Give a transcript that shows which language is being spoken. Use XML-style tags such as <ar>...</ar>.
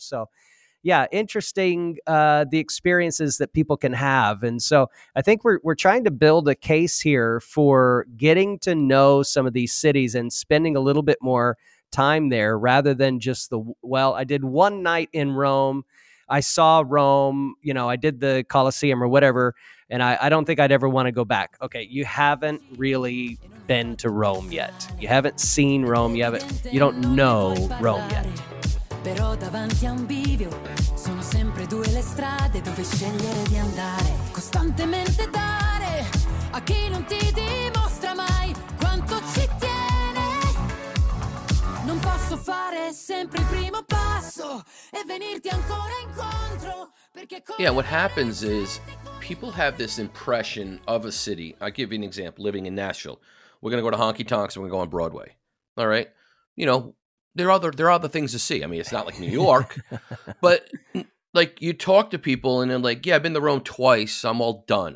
<en>So, yeah, interesting the experiences that people can have, and so I think we're trying to build a case here for getting to know some of these cities and spending a little bit more time there, rather than just I did one night in Rome, I saw Rome, you know, I did the Colosseum or whatever, and I don't think I'd ever want to go back. Okay, you haven't really been to Rome yet. You haven't seen Rome. You don't know Rome yet.</en> <it>Però davanti a un bivio sono sempre due le strade dove scegliere di andare, costantemente dare a chi non ti dimostra mai quanto ci tiene. Non posso fare sempre il primo passo e venirti ancora incontro.</it> <en>Yeah, what happens is people have this impression of a city. I'll give you an example. Living in Nashville, we're going to go to honky tonks, and we're going to go on Broadway. All right. You know, there are other things to see. I mean, it's not like New York, but like, you talk to people and they're like, yeah, I've been to Rome twice. I'm all done.</en>